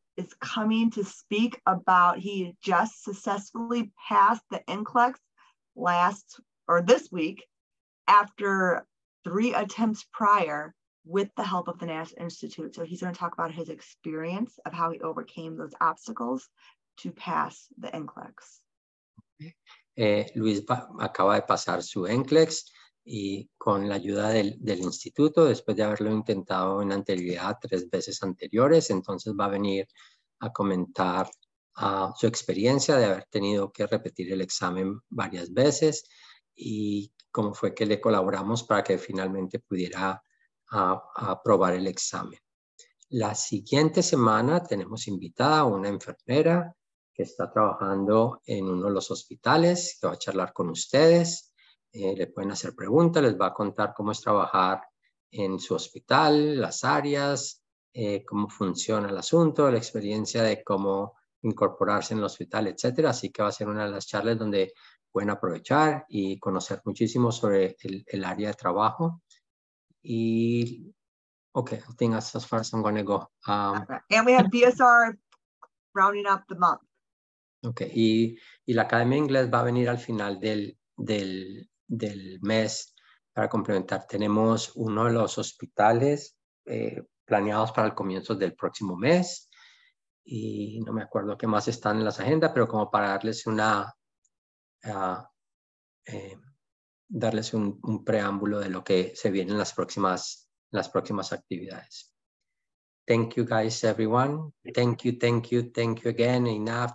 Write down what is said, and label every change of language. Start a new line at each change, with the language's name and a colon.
English: Is coming to speak about, he just successfully passed the NCLEX this week after 3 attempts prior with the help of the NASH Institute. So he's going to talk about his experience of how he overcame those obstacles to pass the NCLEX.
Spanish: Luis acaba de pasar su NCLEX. Y con la ayuda del instituto, después de haberlo intentado en anterioridad 3 veces anteriores, entonces va a venir a comentar su experiencia de haber tenido que repetir el examen varias veces y cómo fue que le colaboramos para que finalmente pudiera aprobar el examen. La siguiente semana tenemos invitada a una enfermera que está trabajando en uno de los hospitales, que va a charlar con ustedes. Le pueden hacer preguntas, les va a contar cómo es trabajar en su hospital, las áreas, cómo funciona el asunto, la experiencia de cómo incorporarse en el hospital, etc. Así que va a ser una de las charlas donde pueden aprovechar y conocer muchísimo sobre el área de trabajo.
English: Y, ok, I think that's as far as I'm going to go. And we have BSR rounding up the month.
Spanish: Ok, y la Academia Inglés va a venir al final del mes para complementar. Tenemos uno de los hospitales planeados para el comienzo del próximo mes y no me acuerdo qué más están en las agendas, pero como para darles una darles un preámbulo de lo que se viene en las próximas actividades.
English: Thank you guys, everyone. Thank you, thank you, thank you again, enough.